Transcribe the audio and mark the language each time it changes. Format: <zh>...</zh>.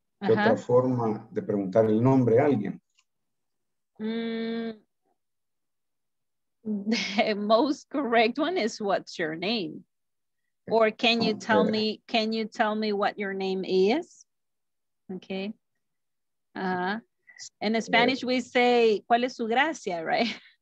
<es>¿Qué otra forma de preguntar el nombre a alguien?</es> <en>The most correct one is what's your name? Or can you tell me, can you tell me what your name is? Okay. In Spanish we say</en> <es>¿cuál es su gracia,</es> <en>right?</en>